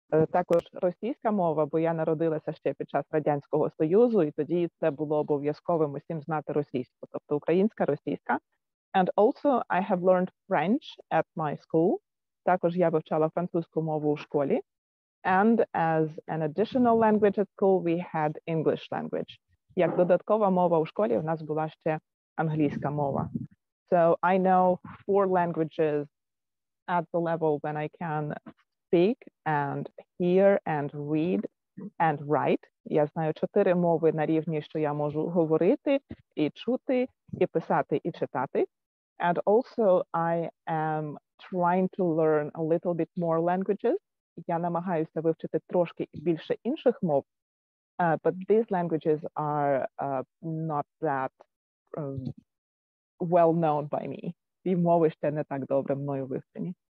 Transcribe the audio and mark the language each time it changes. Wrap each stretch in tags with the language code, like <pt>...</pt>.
<uk>Також російська мова, бо я народилася ще під час Радянського Союзу, і тоді це було обов'язковим усім знати російську, тобто українська, російська.</uk> <en>And also I have learned French at my school.</en> <uk>Також я вивчала французьку мову у школі.</uk> <en>And as an additional language at school, we had English language.</en> <uk>Як додаткова мова у школі у нас була ще англійська мова.</uk> <en>So I know four languages at the level when I can speak and hear and read and write.</en> <uk>Я знаю чотири мови на рівні, що я можу говорити і чути, і писати, і читати.</uk> <en>And also I am trying to learn a little bit more languages.</en> <uk>Я намагаюся вивчити трошки більше інших мов.</uk> <en>But these languages are not that well known by me.</en> <uk>Ці мови ще не так добре мною вивчені.</uk>